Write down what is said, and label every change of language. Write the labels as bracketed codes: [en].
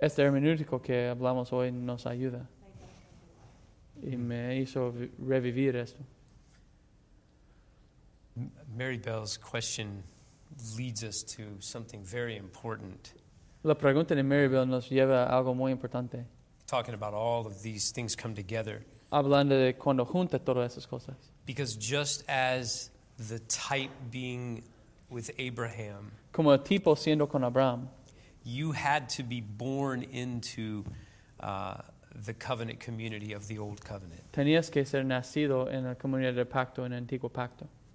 [es] Este hermenútico que hablamos hoy nos ayuda. Y me hizo revivir esto. [en] Mary Bell's question leads us to something very important. [es] La pregunta de Mary Bell nos lleva a algo muy importante. [en] Talking about all of these things come together. [es] hablando de cuando junta todas esas cosas. [en] Because just as the type being with Abraham, [es] como el tipo siendo con Abraham, [en] you had to be born into the covenant community of the old covenant. [es] Tenías que ser nacido en la comunidad del pacto, en el antiguo pacto.